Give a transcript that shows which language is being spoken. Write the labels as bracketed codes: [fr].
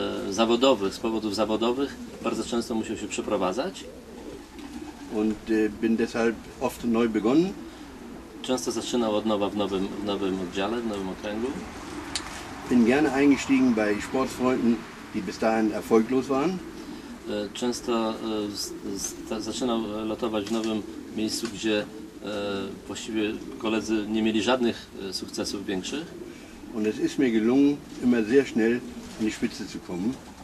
[pl] Z powodów zawodowych bardzo często musiał się przeprowadzać. [de] Und bin deshalb oft neu begonnen. [pl] Często zaczynał od nowa w nowym oddziale, w nowym okręgu. [de] Bin gerne eingestiegen bei Sportfreunden, die bis dahin erfolglos waren. [pl] Często zaczynał lotować w nowym miejscu, gdzie właściwie koledzy nie mieli żadnych sukcesów większych. [de] Und es ist mir gelungen, immer sehr schnell in die Spitze zu kommen.